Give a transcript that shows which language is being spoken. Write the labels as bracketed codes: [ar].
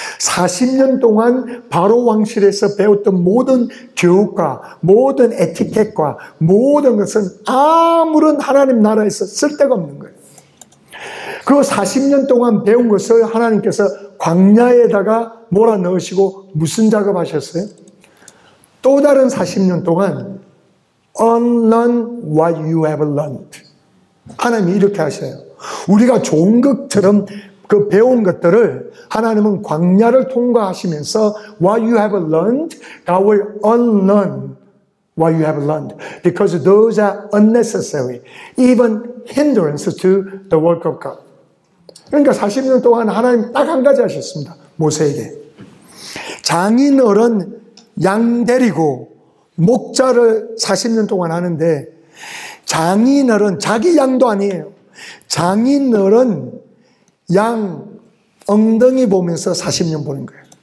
[ko] 40년 동안 바로 왕실에서 배웠던 모든 교육과 모든 에티켓과 모든 것은 아무런 하나님 나라에서 쓸데가 없는 거예요. 그 40년 동안 배운 것을 하나님께서 광야에다가 몰아넣으시고 무슨 작업하셨어요? 또 다른 40년 동안 [en] unlearn what you have learned. [ko] 하나님이 이렇게 하셔요. 우리가 종극처럼 그 배운 것들을 하나님은 광야를 통과하시면서 [en] what you have learned, God will unlearn what you have learned. Because those are unnecessary. Even hindrance to the work of God. [ko] 그러니까 40년 동안 하나님 딱 한 가지 하셨습니다. 모세에게. 장인어른 양 데리고 목자를 40년 동안 하는데 장인어른, 자기 양도 아니에요. 장인어른 양 엉덩이 보면서 40년 보는 거예요.